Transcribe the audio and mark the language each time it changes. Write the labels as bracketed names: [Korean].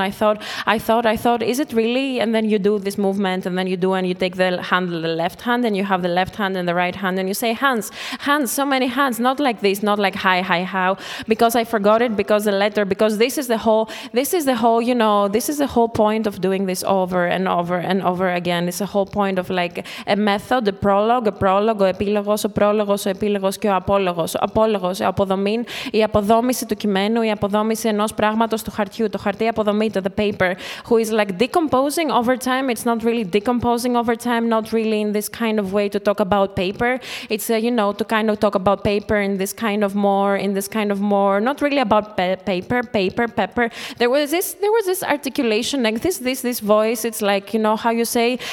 [English] I thought, is it really? And then you do this movement, and then you do, and you take the hand, the left hand, and you have the left hand and the right hand, and you say hands, so many hands, not like this, not like hi, how, because I forgot it, because the letter, because this is the whole point of doing this over and over and over again. And it's a whole point of like a method, a prologue, [Greek] ο πρόλογος, ο επίλογος και ο απόλογος. Ο απόλογος, η αποδομή, η αποδόμηση του κειμένου, η αποδόμηση ενός πράγματος του χαρτιού. Το χαρτί αποδομείται, [English] the paper, who is like decomposing over time. It's not really decomposing over time, not really in this kind of way to talk about paper. It's, to kind of talk about paper in this kind of more, not really about paper, pepper. There was this articulation, like this voice, it's like, how you say,